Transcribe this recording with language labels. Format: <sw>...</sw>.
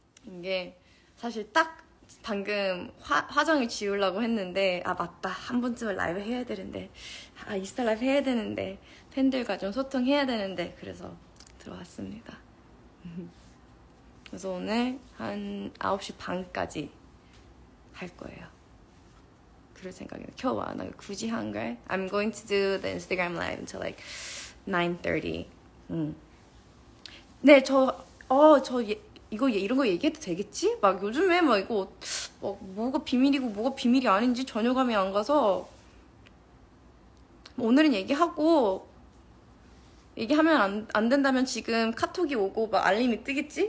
<ko>이게 사실 딱 방금 화장을 지우려고 했는데, 아, 맞다. 한 번쯤은 라이브 해야 되는데. 아, 인스타 라이브 해야 되는데. 팬들과 좀 소통해야 되는데. 그래서 들어왔습니다. 그래서 오늘 한 9시 반까지 할 거예요. 그럴 생각이에요. 겨우 안 하고 굳이 한 걸?</ko> <en>I'm going to do the Instagram live until like 9:30.</en> <ko>네, 이런 거 얘기해도 되겠지? 막 요즘에 막 이거 막 뭐가 비밀이고 뭐가 비밀이 아닌지 전혀 감이 안 가서 오늘은 얘기하고, 얘기하면 안 된다면 지금 카톡이 오고 막 알림이 뜨겠지?</ko>